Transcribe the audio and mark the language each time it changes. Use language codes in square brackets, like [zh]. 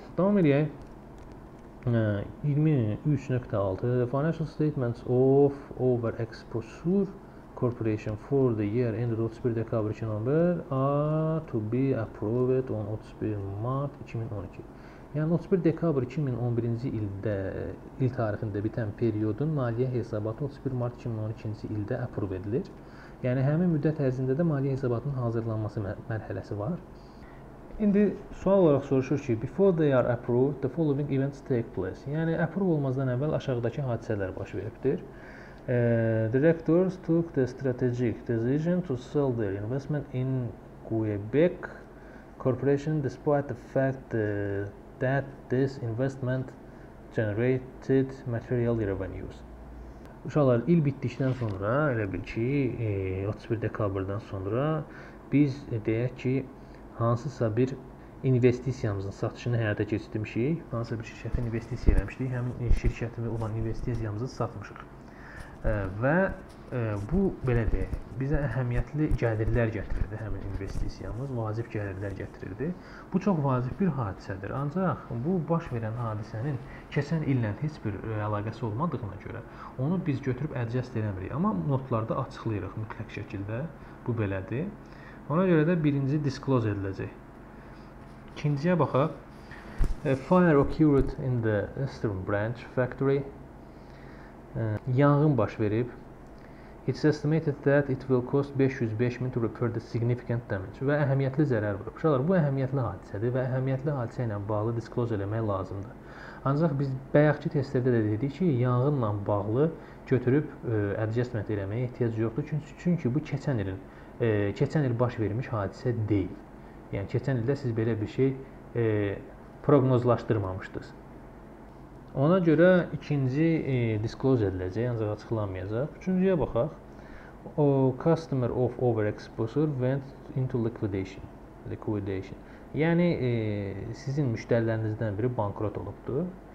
[az] Davam edək. [en] 23.6 The financial statements of Overexposure Corporation for the year ended 31 Decabr 2011 are to be approved on 31 Mart 2012. [az] Yəni 31 Decabr 2011-ci ildə il tarixində bitən periodun maliyyə hesabatı 31 Mart 2012-ci ildə aprov edilir. Yəni həmin müddət ərzində də maliyyə hesabatının hazırlanması mərhələsi var. İndi sual olaraq soruşur ki, [en] before they are approved, the following events take place. [az] Yəni aprov olmazdan əvvəl aşağıdakı hadisələr baş veribdir. [en] Directors took the strategic decision to sell their investment in Quebec Corporation despite the fact that this investment generated material revenues. [az] Uşaqlar, il bitdikdən sonra, elə bil ki, 31 dekabrdan sonra biz deyək ki, hansısa bir investisiyamızın satışını həyata keçirmişik, hansısa bir şirkətə investisiya eləmişdik, həmin şirkətimiz olan investisiyamızı satmışıq. Və Bu belə deyək, bizə əhəmiyyətli gəlirlər gətirirdi həmin investisiyamız, vacib gəlirlər gətirirdi. Bu çox vacib bir hadisədir. Ancaq bu baş verən hadisənin keçən illə heç bir əlaqəsi olmadığına görə onu biz götürüb adjust eləmirik. Amma notlarda açıqlayırıq mütləq şəkildə. Bu belədir. Ona görə də birinci disclose ediləcək. İkinciyə baxaq. [en] Fire occurred in the Eastern Branch factory. [az] Yanğın baş verib. [en] It's estimated that it will cost 505 min to repair the significant damage. [az] Və əhəmiyyətli zərər vurub. Uşaqlar, bu əhəmiyyətli hadisədir və əhəmiyyətli hadisə ilə bağlı disclose eləmək lazımdır. Ancaq biz bayaqki testlərdə də dedik ki, yanğınla bağlı götürüb adjustment eləməyə ehtiyac yoxdur. Çünki bu keçən il baş vermiş hadisə deyil. Yəni, keçən ildə siz belə bir şey proqnozlaşdırmamışdınız. Ona görə ikinci disclose ediləcək, ancaq açıqlanmayacaq. Üçüncüyə baxaq. [en] O customer of overexposure went into liquidation. [az] Yəni sizin müştərilərinizdən biri bankrot olubdur.